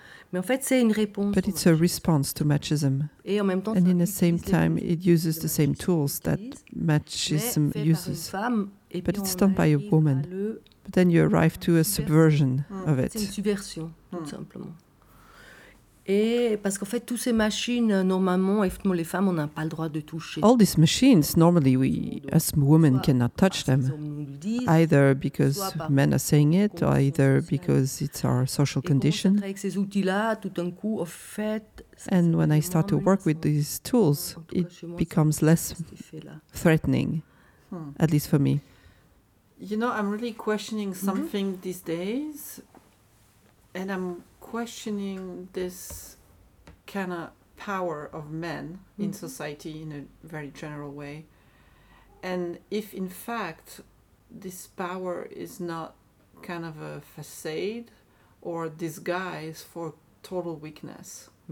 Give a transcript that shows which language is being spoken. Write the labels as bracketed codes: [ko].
[en] But it's a response to machism. And in the same time, it uses the same tools that machism uses. But it's done by a woman. But then you arrive to a subversion of it. It's a subversion, [fr] tout simplement. Et parce qu'en fait, toutes ces machines, normalement, effectivement, les femmes, on n'a pas le droit de toucher. [en] All these machines, normally, we as women cannot touch them. Either because men are saying it, or either because it's our social condition. [fr] Et quand on travaille avec ces outils-là, tout d'un coup, en fait... [en] And when I start to work with these tools, it becomes less threatening, at least for me. You know, I'm really questioning something these days, and I'm... questioning this kind of power of men in society in a very general way, and if in fact this power is not kind of a facade or disguise for total weakness,